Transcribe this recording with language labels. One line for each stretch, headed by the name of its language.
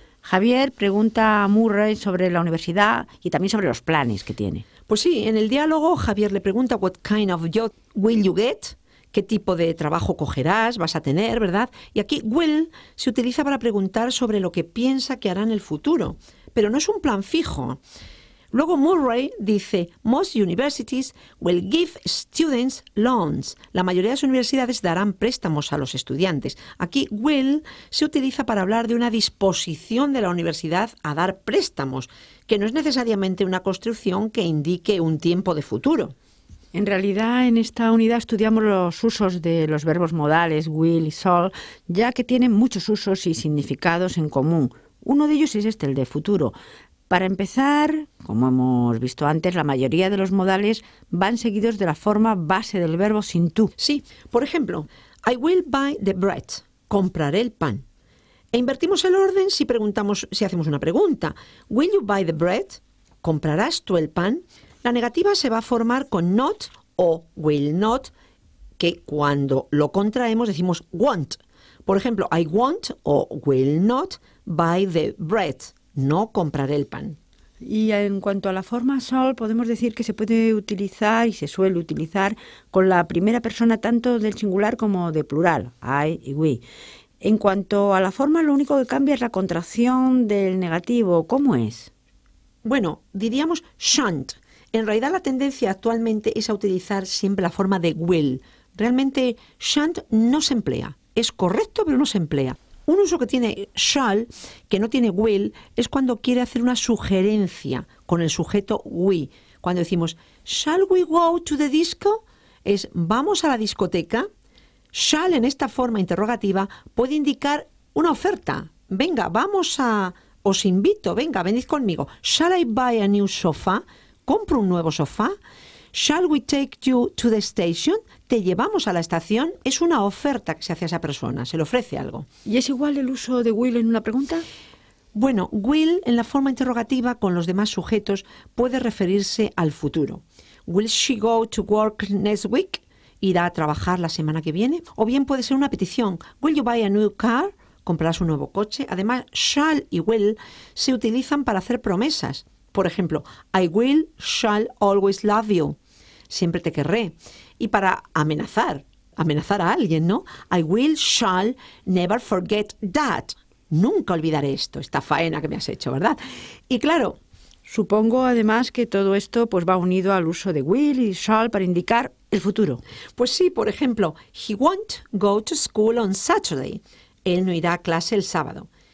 Spanish: Javier pregunta a Murray sobre la universidad y también sobre los planes que tiene. Pues sí, en el diálogo Javier le pregunta
English: what kind of job will you get.
Spanish: ¿Qué tipo de trabajo cogerás, vas a tener, verdad? Y aquí will se utiliza para preguntar sobre lo que piensa que hará en el futuro, pero no es un plan fijo. Luego Murray dice,
English: most universities will give students loans.
Spanish: La mayoría de las universidades darán préstamos a los estudiantes. Aquí will se utiliza para hablar de una disposición de la universidad a dar préstamos, que no es necesariamente una construcción que indique un tiempo de futuro. En realidad, en esta unidad estudiamos los usos de los verbos modales, will y shall, ya que tienen muchos usos y significados en común. Uno de ellos es este, el de futuro. Para empezar, como hemos visto antes, la mayoría de los modales van seguidos de la forma base del verbo sin to. Sí, por ejemplo,
English: I will buy the bread.
Spanish: Compraré el pan. E invertimos el orden si preguntamos, si hacemos una pregunta.
English: Will you buy the bread?
Spanish: ¿Comprarás tú el pan? La negativa se va a formar con not o will not, que cuando lo contraemos decimos won't. Por ejemplo,
English: I won't o will not buy the bread.
Spanish: No compraré el pan. Y en cuanto a la forma shall, podemos decir que se puede utilizar y se suele utilizar con la primera persona tanto del singular como de plural, I y we. En cuanto a la forma, lo único que cambia es la contracción del negativo. ¿Cómo es? Bueno, diríamos shan't. En realidad, la tendencia actualmente es a utilizar siempre la forma de will, realmente shan't no se emplea. Es correcto, pero no se emplea. Un uso que tiene shall, que no tiene will, es cuando quiere hacer una sugerencia con el sujeto we. Cuando decimos,
English: shall we go to the disco?
Spanish: Es, ¿vamos a la discoteca? Shall, en esta forma interrogativa, puede indicar una oferta. Venga, vamos a... Os invito, venga, venid conmigo.
English: Shall I buy a new sofa?
Spanish: ¿Compro un nuevo sofá?
English: Shall we take you to the station?
Spanish: ¿Te llevamos a la estación? Es una oferta que se hace a esa persona, se le ofrece algo. ¿Y es igual el uso de will en una pregunta? Bueno, will en la forma interrogativa con los demás sujetos puede referirse al futuro.
English: Will she go to work next week?
Spanish: ¿Irá a trabajar la semana que viene? O bien puede ser una petición.
English: Will you buy a new car?
Spanish: ¿Comprarás un nuevo coche? Además, shall y will se utilizan para hacer promesas. Por ejemplo,
English: I will, shall always love you.
Spanish: Siempre te querré. Y para amenazar a alguien, ¿no?
English: I will, shall never forget that.
Spanish: Nunca olvidaré esto, esta faena que me has hecho, ¿verdad? Y claro, supongo además que todo esto pues va unido al uso de will y shall para indicar el futuro. Pues sí, por ejemplo,
English: he won't go to school on Saturday.
Spanish: Él no irá a clase el sábado.